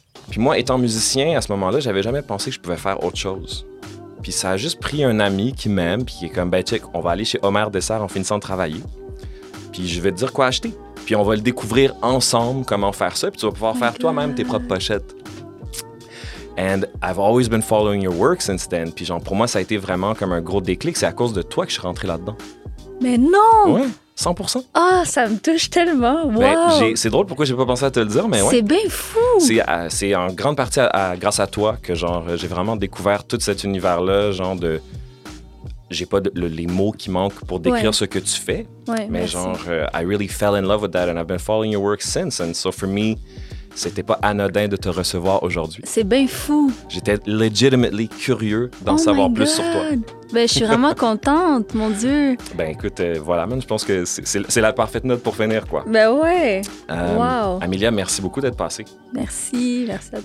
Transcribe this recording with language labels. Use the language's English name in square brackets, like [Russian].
[French] Puis moi, étant musicien, à ce moment-là, j'avais jamais pensé que je pouvais faire autre chose. Puis ça a juste pris un ami qui m'aime, puis qui est comme, ben, check, on va aller chez Omer Dessert en finissant de travailler. Puis je vais te dire quoi acheter. Puis on va le découvrir ensemble comment faire ça, puis tu vas pouvoir faire toi-même tes propres pochettes. [English] And I've always been following your work since then. [French] Puis genre, pour moi, ça a été vraiment comme un gros déclic. C'est à cause de toi que je suis rentré là-dedans. Mais non! Ouais, 100%. Ah, oh, ça me touche tellement. Wow! Ben, c'est drôle pourquoi j'ai pas pensé à te le dire, mais ouais. C'est bien fou! C'est en grande partie grâce à toi que genre, j'ai vraiment découvert tout cet univers-là, genre de... J'ai pas les mots qui manquent pour décrire ce que tu fais. Ouais, mais merci. [English] Genre, I really fell in love with that and I've been following your work since. And so for me, [French] c'était pas anodin de te recevoir aujourd'hui. C'est bien fou! J'étais legitimately curieux d'en savoir plus sur toi. Ben, je suis vraiment contente, mon Dieu! Ben, écoute, voilà, man, je pense que c'est la parfaite note pour finir, quoi. Ben ouais! Wow! Amelia, merci beaucoup d'être passée. Merci à toi.